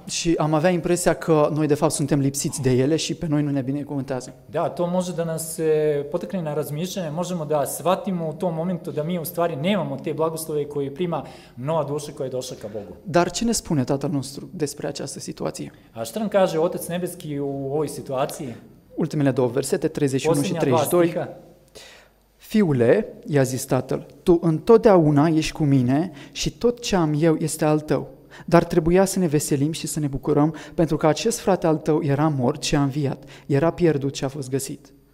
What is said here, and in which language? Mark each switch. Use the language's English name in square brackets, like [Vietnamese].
[Romanian] Și am avea impresia că noi de fapt suntem lipsiți de ele și pe noi nu ne binecuvântează. [Serbian] Da, to može da nas potakne na razmišljanje, možemo da shvatimo u tom momentu da mi u stvari nemamo te blagoslove koje prima nova duša koja je došla ka Bogu. [Romanian] Dar ce ne spune Tatăl nostru despre această situație? [Serbian] A šta nam kaže Otac Nebeski u ovoj situaciji? [Romanian] Ultimele două versete, 31 și 32. Fiule, i-a zis tatăl, tu întotdeauna ești cu mine și tot ce am eu este al tău. Dar trebuia să ne veselim și să ne bucurăm, pentru că acest frate al tău era mort și a înviat, era pierdut și a fost găsit.